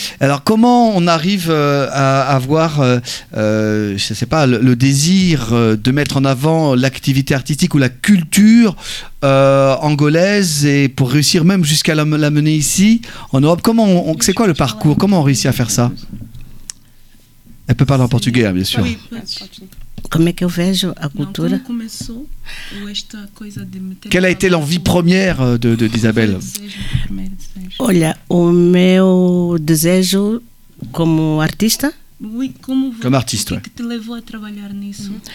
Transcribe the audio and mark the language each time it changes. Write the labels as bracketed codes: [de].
[fr] Alors comment on arrive à avoir, je ne sais pas, le désir de mettre en avant l'activité artistique ou la culture angolaise et pour réussir même jusqu'à l'amener ici en Europe ? C'est quoi le parcours ? Comment on réussit à faire ça ? Elle peut parler en portugais, bien sûr. [pt] Como é que eu vejo a cultura? Não, como começou esta coisa de me ter... [fr] Quel a été l'envie première de Isabelle? [pt] Olha, o meu desejo como artista? Oui, como como artista, o que te levou a trabalhar nisso?